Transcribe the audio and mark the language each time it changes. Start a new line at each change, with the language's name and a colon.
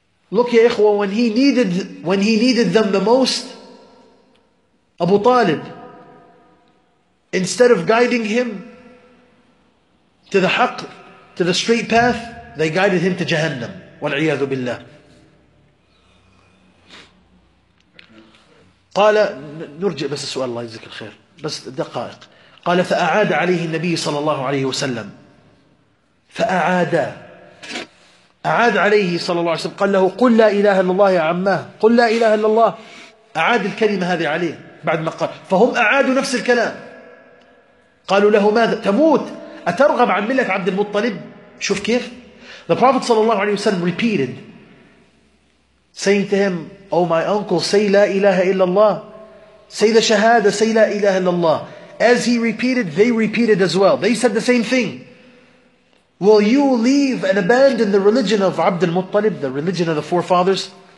English: Look, ya ikhwa, when he needed them the most, Abu Talib, instead of guiding him to the haqq, to the straight path, they guided him to Jahannam.
Arabic: Wal'iyadu billah. قال نرجع بس السؤال الله يجزيك الخير بس دقائق. قال فأعاد عليه النبي صلى الله عليه وسلم فأعاد أعاد عليه صلى الله عليه وسلم قال له قل لا إله إلا الله يا عماه قل لا إله إلا الله أعاد الكلمة هذه عليه بعد ما قال فهم أعادوا نفس الكلام قالوا له ماذا تموت أترغب عن ملة عبد المطلب شوف كيف
English: the prophet صلى الله عليه وسلم repeated saying to him Oh my uncle, say la ilaha illallah. Say the shahada, say la ilaha illallah. As he repeated, they repeated as well. They said the same thing. Will you leave and abandon the religion of Abd al-Muttalib, the religion of the forefathers?